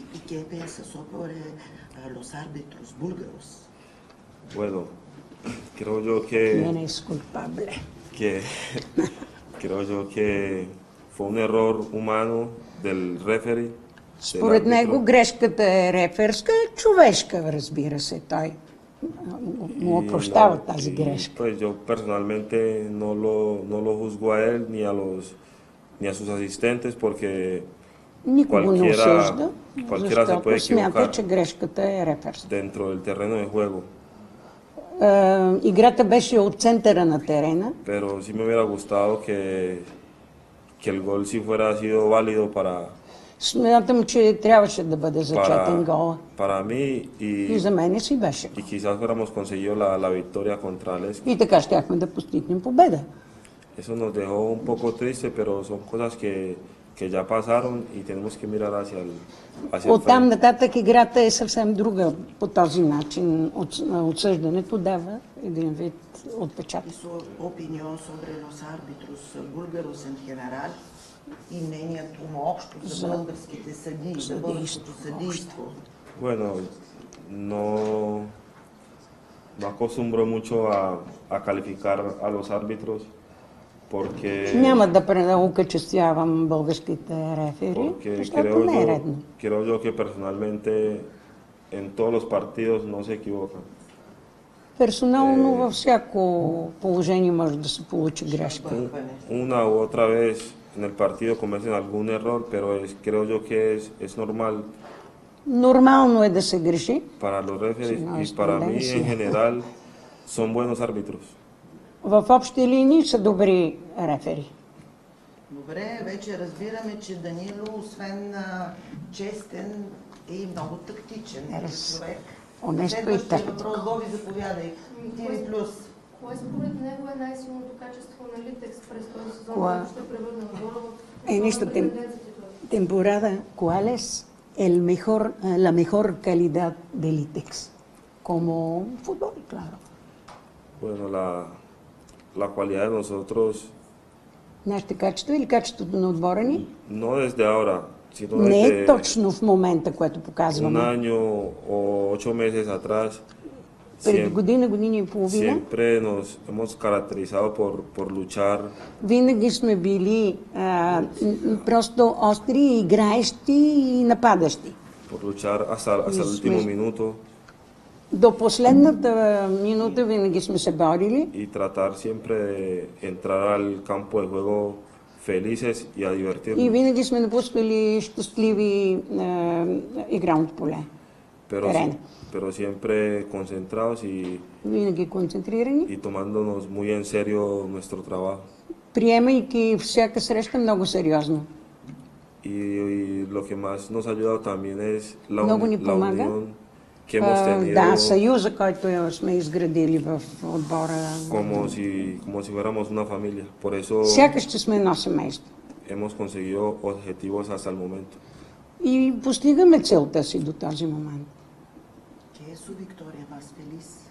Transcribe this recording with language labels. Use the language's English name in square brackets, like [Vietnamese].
[Spanish] ¿Y qué piensas sobre los árbitros búlgaros? Bueno, creo yo que... ¿Quién es culpable? Que, creo yo que fue un error humano del referee. [Bulgarian] Според него грешката е реферска, човешка, разбира се, той му опрощава тази грешка. [Spanish] Pues yo personalmente no lo juzgo a él ni a los ni a sus asistentes porque [Bulgarian] никого не осъжда, [Spanish] cualquiera se puede equivocar. [Bulgarian] Смята, че грешката е реферска. [Spanish] Dentro del terreno de juego. [Bulgarian] Играта беше от центъра на терена. [Spanish] Pero sí me hubiera gustado que el gol sí fuera sido válido para [Bulgarian] Смятам, че трябваше да бъде зачетен гола. [Spanish] Para mí [Bulgarian] и за мене си беше. [Spanish] Y quizás hubiéramos conseguido la victoria contra Lesk. [Bulgarian] И така щяхме да постигнем победа. [Spanish] Eso nos dejó un poco triste, pero son cosas que ya pasaron y tenemos que mirar hacia el frente. [Bulgarian] Оттам нататък играта е съвсем друга по този начин. Отсъждането дава един вид отпечатък. [Spanish] Su opinión sobre los árbitros búlgaros en general. [Bulgarian] И мнението му общо за българските съдии, за българското съдийство. [Spanish] Bueno, no me acostumbro mucho a calificar a los árbitros porque [Bulgarian] няма да окачествявам българските рефери. [Spanish] Porque creo yo que personalmente en todos los partidos no se equivocan. [Bulgarian] Персонално във всяко положение може да се получи грешка. [Spanish] Una u otra vez en el partido cometen algún error, pero es, creo yo que es normal. [Bulgarian] Нормално е да се греши. [Spanish] Para los referees y para mí en general son buenos árbitros. [Bulgarian] В общи линии са добри рефери. Добре, вече разбираме, че Данило, освен честен, е и много тактичен човек. Онесто и тактик. Въпрос, Боби, заповядай. Тири плюс. Кое според него е най-силното качество на Litex през този сезон, което ще превърне отбора в нищо темпорада, [Spanish] ¿cuál es el mejor la mejor calidad de Litex como fútbol, claro? Bueno, la cualidad de nosotros. [Bulgarian] Нашите качества или качеството на отбора ни? [Spanish] No desde ahora, sino [Bulgarian] Не е точно в момента, което показваме. [Spanish] Un año o 8 meses atrás. [Bulgarian] Преди година, година и половина. [Spanish] Siempre nos hemos caracterizado por luchar. [Bulgarian] Винаги сме били просто остри, играещи и нападащи. [Spanish] Por luchar hasta el último minuto. [Bulgarian] До последната минута винаги сме се борили. [Spanish] Y tratar siempre de entrar al campo de juego felices y a divertirnos. [Bulgarian] И винаги сме напускали щастливи игралното поле. [Spanish] Pero siempre concentrados y [Bulgarian] винаги концентрирани [Spanish] и tomándonos muy en serio nuestro trabajo. [Bulgarian] Приемайки всяка среща много сериозно. [Spanish] И lo que más nos ha ayudado también es la unión que hemos tenido. [Bulgarian] Да, съюза, който сме изградили в отбора. [Spanish] Como si fuéramos una familia. Por eso [Bulgarian] сякаш че сме едно семейство. [Spanish] Hemos conseguido objetivos hasta el momento. [Bulgarian] И постигаме целта си до този момент. [Spanish] Que es su victoria más feliz.